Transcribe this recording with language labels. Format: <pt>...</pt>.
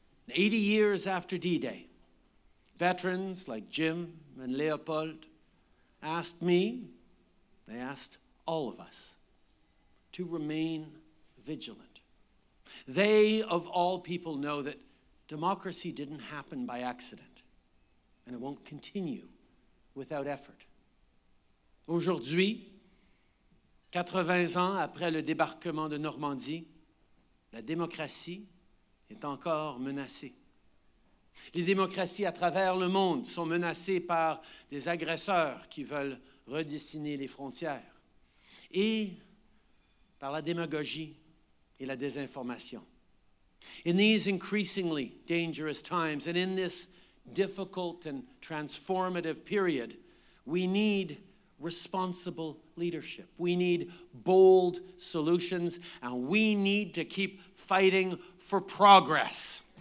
<en>80 years after D-Day, veterans like Jim and Leopold asked me, they asked all of us, to remain vigilant. They, of all people, know that democracy didn't happen by accident, and it won't continue without effort.</en> <fr>Aujourd'hui, 80 ans après le débarquement de Normandie, la démocratie est encore menacée. Les démocraties à travers le monde sont menacées par des agresseurs qui veulent redessiner les frontières et par la démagogie et la désinformation.</fr> <en>In these increasingly dangerous times and in this difficult and transformative period, we need responsible leadership. We need bold solutions and we need to keep fighting for progress.</en>